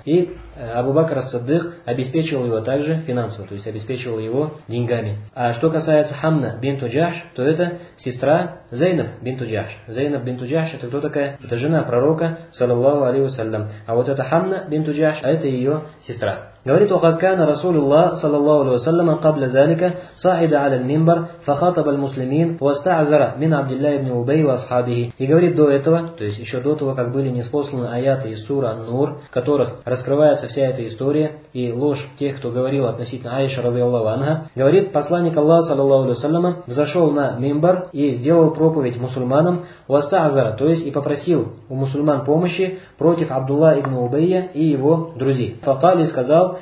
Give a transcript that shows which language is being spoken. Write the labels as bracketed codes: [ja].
[ru] И Абу Бакр ас-Саддык обеспечивал его также финансово, то есть обеспечивал его деньгами. А что касается Хамна бинту Джаш, то это сестра Зайнаб бинту Джаш. Зайнаб бинту Джаш это кто такая? Это жена пророка, саллаллаху алейхи ва саллям. А вот это Хамна бинту Джаш, а это ее сестра. Говорит, [ar] وقد كان رسول الله صلى الله عليه وسلم قبل ذلك صعد على المنبر فخاطب المسلمين واستعذر من عبد الله بن أبي وأصحابه. [ru] И говорит, до этого, то есть еще до того, как были ниспосланы аяты из суры Ан-Нур, в которых раскрывается вся эта история и ложь тех, кто говорил относительно Аиши радиаллаху анха, говорит, посланник Аллаха [ar] صلى الله عليه وسلم [ru] взошел на минбар и сделал проповедь мусульманам, [ar] واستعذر, [ru] то есть и попросил у мусульман помощи против Абдулла ибн Убайя и его друзей. [ar] فقال, [ru] и сказал,